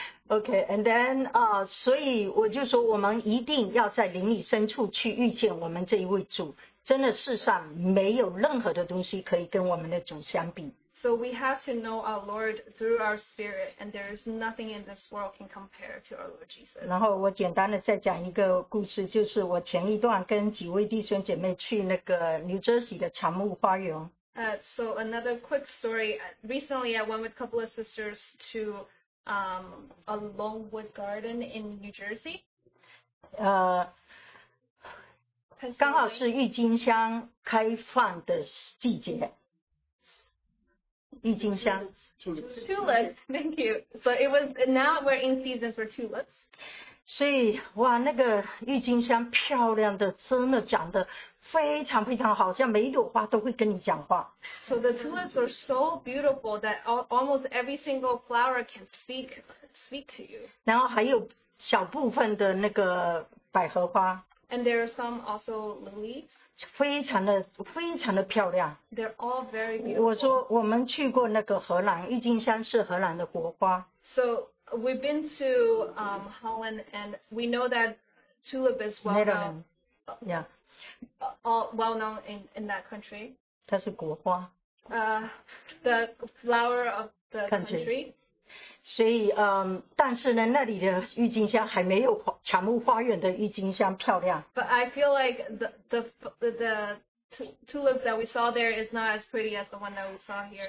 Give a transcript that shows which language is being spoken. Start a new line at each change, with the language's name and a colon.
English: Okay, and then
Chinese: 所以我就说我们一定要在灵里深处去遇见我们这一位主，真的世上没有任何的东西可以跟我们的主相比。
English: So we have to know our Lord through our spirit, and there is nothing in this world can compare to our Lord Jesus.
Chinese: 然后我简单的再讲一个故事，就是我前一段跟几位弟兄姐妹去那个 New Jersey 的长木花园。
English: So another quick story. Recently, I went with a couple of sisters to a Longwood Garden in New Jersey.
Chinese: 刚好是郁金香开放的季节。郁金香
English: tulips, thank you. So it was now we're in season for tulips.
Chinese: 所以哇，那个郁金香漂亮的，真的长得非常非常好，像每一朵花都会跟你讲话。
English: So the tulips are so beautiful that almost every single flower can speak to you.
Chinese: 然后还有小部分的那个百合花。
English: And there are some also lilies.
Chinese: 非常的非常的漂亮。
English: They're all very beautiful.
Chinese: 我说我们去过那个荷兰，郁金香是荷兰的国花。
English: So we've been to Holland and we know that tulip is well known. Yeah. All well known in that country.
Chinese: 它是国花。
English: The flower of the country.
Chinese: 所以但是呢，那里的郁金香还没有长木花园的郁金香漂亮。
English: But I feel like the tulips that we saw there is not as pretty as the one that we saw here.